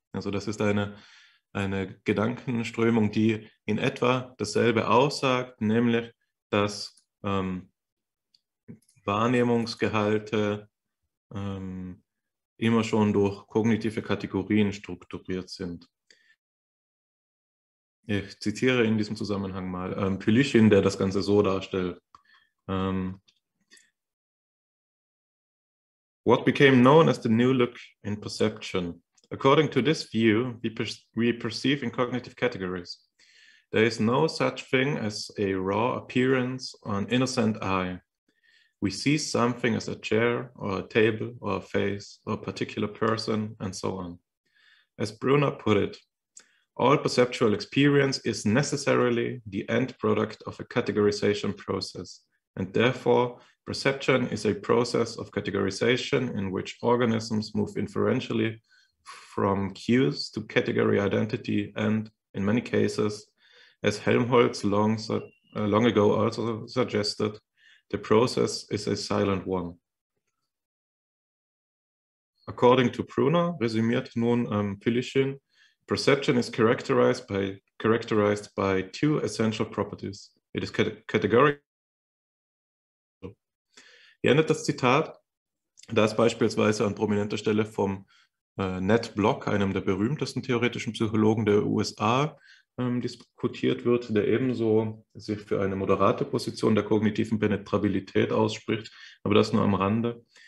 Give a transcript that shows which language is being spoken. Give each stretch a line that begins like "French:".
German: Also das ist eine Gedankenströmung, die in etwa dasselbe aussagt, nämlich dass Wahrnehmungsgehalte immer schon durch kognitive Kategorien strukturiert sind. Ich zitiere in diesem Zusammenhang mal Pülüschin, der das Ganze so darstellt.
English: What became known as the new look in perception? According to this view, we perceive in cognitive categories. There is no such thing as a raw appearance on innocent eye. We see something as a chair or a table or a face or a particular person and so on. As Brunner put it, all perceptual experience is necessarily the end product of a categorization process, and therefore perception is a process of categorization in which organisms move inferentially from cues to category identity and, in many cases, as Helmholtz long ago also suggested, the process is a silent one. According to Pruner,
German: resümiert nun Pülüschin,
English: perception is characterized by two essential properties. It is categorical.
German: Hier endet das Zitat, das beispielsweise an prominenter Stelle vom Ned Block, einem der berühmtesten theoretischen Psychologen der USA, diskutiert wird, der ebenso sich für eine moderate Position der kognitiven Penetrabilität ausspricht, aber das nur am Rande.